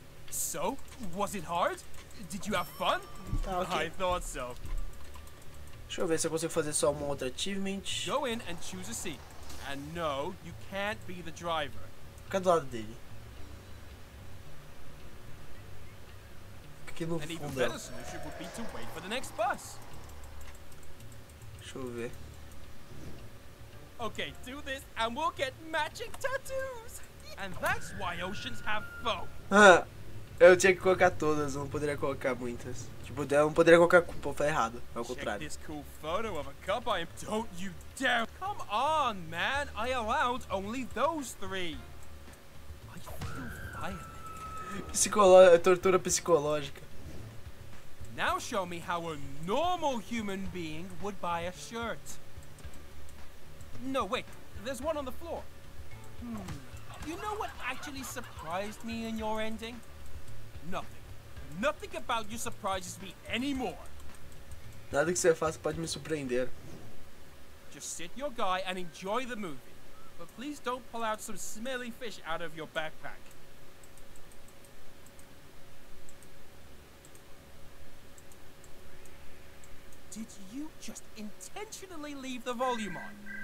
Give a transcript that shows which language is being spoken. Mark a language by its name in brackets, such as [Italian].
[English] So, was it hard? Did you have fun? [Portuguese] Tá, ok. [English] I thought so. [Portuguese] Deixa eu ver se eu consigo fazer só uma outra achievement. [English] Go in and choose a seat. And no, you can't be the driver. [Portuguese] Fica do lado dele. aqui no fundo. [English] A solution would be to wait for the next bus. [Portuguese] Deixa eu ver. [English] Okay, do this and we'll get matching tattoos. And that's why oceans have foam. [Portuguese] Eu tinha que colocar todas, não poderia colocar muitas. Tipo, eu não poderia colocar, pô, foi errado, é o contrário. [English] Check this cool photo of a cup I am. Don't you dare. Come on, man. I allowed only those three. I feel fire. [Portuguese] Tortura psicológica. [English] Now show me how a normal human being would buy a shirt. No, wait. There's one on the floor. You know what actually surprised me in your ending? Nothing. Nothing about you surprises me anymore. [Portuguese] Nada que você faça pode me surpreender. [English] Just sit your guy and enjoy the movie. But please don't pull out some smelly fish out of your backpack. Did you just intentionally leave the volume on?